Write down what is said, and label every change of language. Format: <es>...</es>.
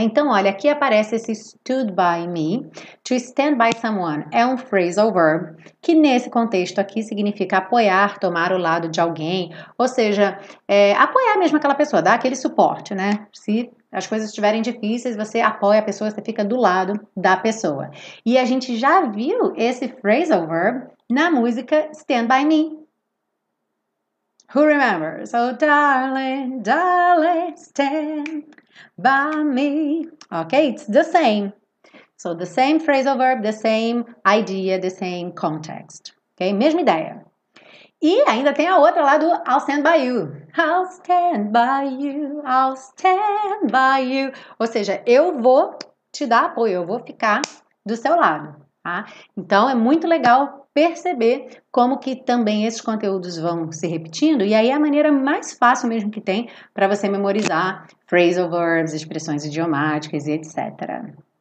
<pt>Então, olha, aqui aparece esse</pt> <en>stood by me, to stand by someone,</en> <pt>é um phrasal verb, que nesse contexto aqui significa apoiar, tomar o lado de alguém, ou seja, apoiar mesmo aquela pessoa, dar aquele suporte, né? Se as coisas estiverem difíceis, você apoia a pessoa, você fica do lado da pessoa. E a gente já viu esse phrasal verb na música Stand By Me.</pt> <en>Who remembers? Oh, darling, darling, stand by me. Okay, it's the same. So, the same phrasal verb, the same idea, the same context. Okay,</en> <pt>mesma ideia. E ainda tem a outra lá do</pt> <en>I'll stand by you. I'll stand by you, I'll stand by you.</en> <pt>Ou seja, eu vou te dar apoio, eu vou ficar do seu lado. Tá? Então, é muito legal perceber como que também esses conteúdos vão se repetindo, e aí é a maneira mais fácil mesmo que tem para você memorizar phrasal verbs, expressões idiomáticas e etc.</pt>